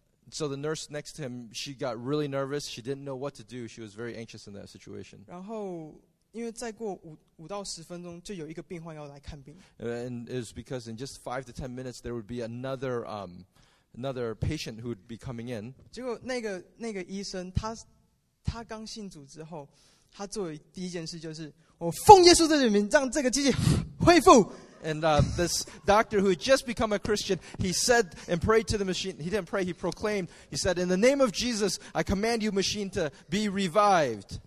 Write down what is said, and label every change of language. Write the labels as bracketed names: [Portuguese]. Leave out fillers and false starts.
[English] So the nurse next to him, she got really nervous. She didn't know what to do. She was very anxious in that situation. [Chinese] 然后因为再过五到十分钟就有一个病患要来看病。 [English] And it was because in just 5 to 10 minutes, there would be another patient who would be coming in. [Chinese] 结果那个医生他刚信主之后，他做的第一件事就是我奉耶稣的名让这个机器恢复。 [English] And this doctor who had just become a Christian, he said and prayed to the machine. He didn't pray, he proclaimed. He said, in the name of Jesus, I command you, machine, to be revived.